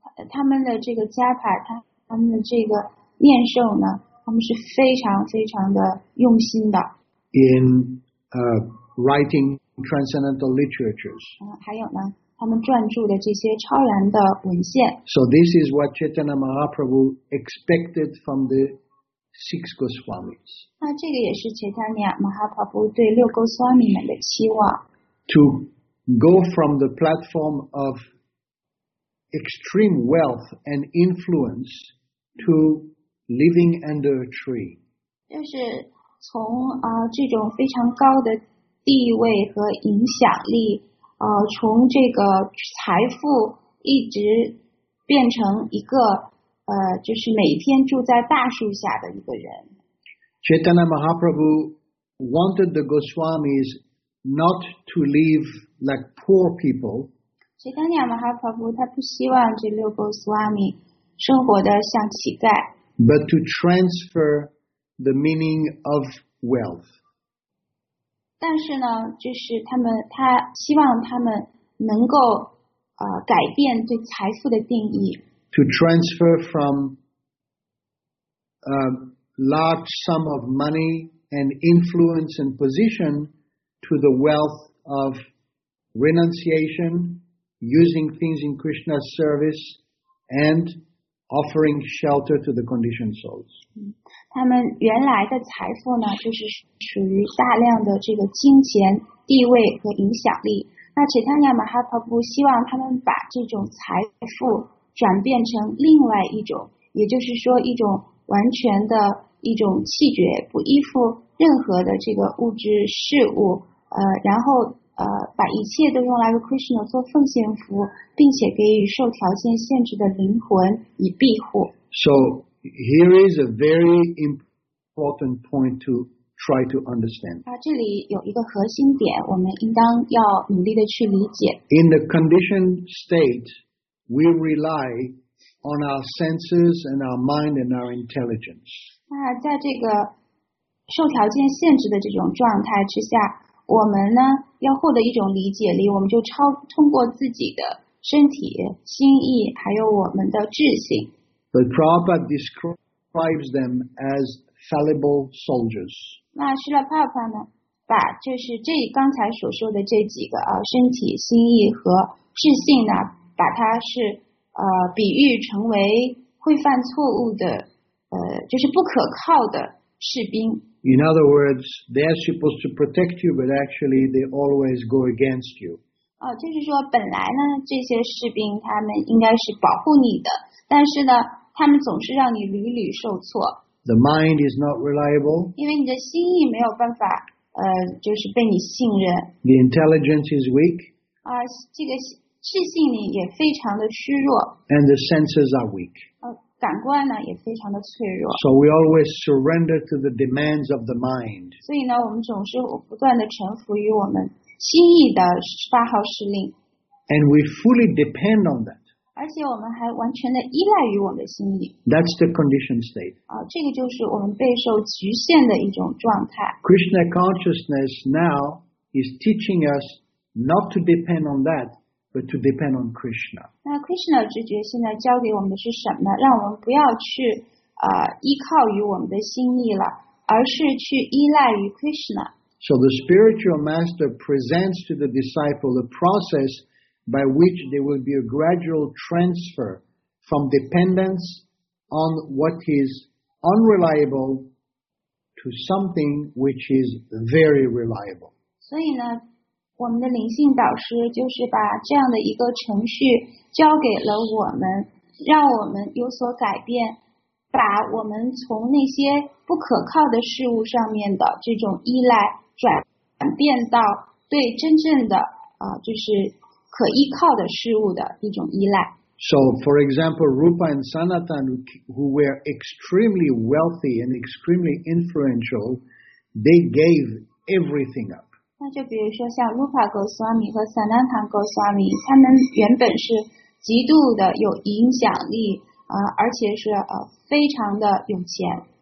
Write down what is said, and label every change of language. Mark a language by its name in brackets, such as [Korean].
[Chinese] 他们的这个 japa， 他们的这个念诵呢，他们是非常非常的用心的。 [English] In writing transcendental literatures. [Chinese] 还有呢，他们撰著的这些超然的文献。 [English] So this is what Chaitanya Mahaprabhu expected from the. Six Goswamis. [Chinese] 那这个也是 Chaitanya Mahaprabhu 对六 Goswami 们的期望。 [English] To go from the platform of extreme wealth and influence to living under a tree. [Chinese] 就是从这种非常高的地位和影响力，从这个财富一直变成一个。就是每天住在大树下的一个人。 [English] Chaitanya Mahaprabhu wanted the Goswamis not to live like poor people. [Chinese] Chaitanya Mahaprabhu 他不希望这六 Goswami 生活的像乞丐。 [English] But to transfer the meaning of wealth. [Chinese] 但是呢，就是他希望他们能够改变对财富的定义。 [English] To transfer from a large sum of money and influence and position to the wealth of renunciation, using things in Krishna's service, and offering shelter to the conditioned souls. [Chinese] 他们原来的财富呢，就是属于大量的这个金钱、地位和影响力。那 Chaitanya Mahaprabhu 希望他们把这种财富转变成另外一种也就是说一种完全的一种气绝，不依附任何的这个物质事物，然后把一切都用来为 Krishna 做奉献服务，并且给予受条件限制的灵魂以庇护。 [English] So here is a very important point to try to understand. [Chinese] 这里有一个核心点，我们应当要努力的去理解。 [English] In the conditioned state, we rely on our senses and our mind and our intelligence. [Chinese] 那在这个受条件限制的这种状态之下，我们呢要获得一种理解力，我们就通过自己的身体、心意，还有我们的智性。 [English] The Prabhupada describes them as fallible soldiers. [Chinese] 那释迦牟尼呢，把就是这刚才所说的这几个啊，身体、心意和智性呢，把它是比喻成为会犯错误的就是不可靠的士兵。 [English] In other words, they're supposed to protect you, but actually they always go against you. [Chinese] 就是说本来呢这些士兵他们应该是保护你的，但是呢他们总是让你屡屡受挫。 [English] The mind is not reliable. [Chinese] 因为你的心意没有办法就是被你信任。 [English] The intelligence is weak. [Chinese] 这个智性力也非常的虚弱。 [English] And the senses are weak. [Chinese] 感官呢也非常的脆弱。 [English] So we always surrender to the demands of the mind. [Chinese] 所以呢我们总是不断的臣服于我们心意的发号施令。 [English] And we fully depend on that. [Chinese] 而且我们还完全的依赖于我们的心意。 [English] That's the conditioned state. [Chinese] 这个就是我们备受局限的一种状态。 [English] Krishna consciousness now is teaching us not to depend on that. But to depend on Krishna. [Chinese] 那 Krishna 直觉现在教给我们的是什么呢？让我们不要去依靠于我们的心意了，而是去依赖于 Krishna. [English] So the spiritual master presents to the disciple the process by which there will be a gradual transfer from dependence on what is unreliable to something which is very reliable. [Chinese] 所以呢我们的灵性导师就是把这样的一个程序交给了我们，让我们有所改变，把我们从那些不可靠的事物上面的这种依赖转变到对真正的就是可依靠的事物的一种依赖。 [English] So, for example, Rupa and Sanatan, who were extremely wealthy and extremely influential, they gave everything up. [Chinese] 那就比如说像 Rupa Goswami 和 Sanatan Goswami， 他们原本是极度的有影响力，而且是非常的有钱。